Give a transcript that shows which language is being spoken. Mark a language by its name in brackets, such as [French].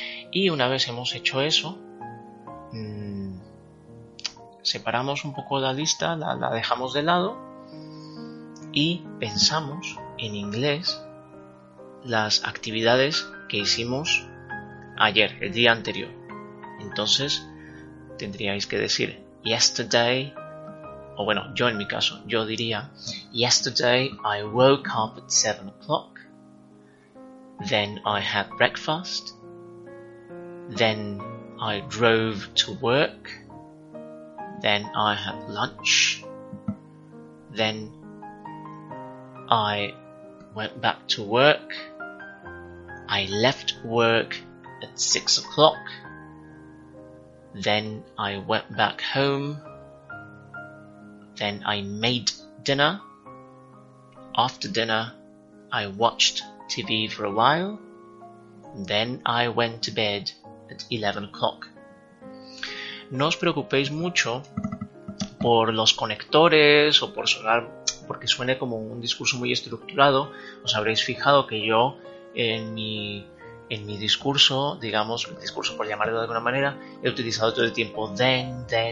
[Spanish] Y una vez hemos hecho eso, separamos un poco la lista, la dejamos de lado y pensamos en inglés las actividades que hicimos ayer, el día anterior. Entonces tendríais que decir [English] yesterday, [Spanish] o bueno, yo en mi caso, yo diría [English] yesterday I woke up at 7 o'clock, then I had breakfast, then I drove to work, then I had lunch, then I went back to work, I left work at 6 o'clock, then I went back home, then I made dinner, after dinner I watched TV for a while, then I went to bed at 11 o'clock. [Spanish] No os preocupéis mucho por los conectores o por sonar, porque suene como un discurso muy estructurado. Os habréis fijado que yo en mi discurso, digamos, el discurso por llamarlo de alguna manera, he utilizado todo el tiempo then.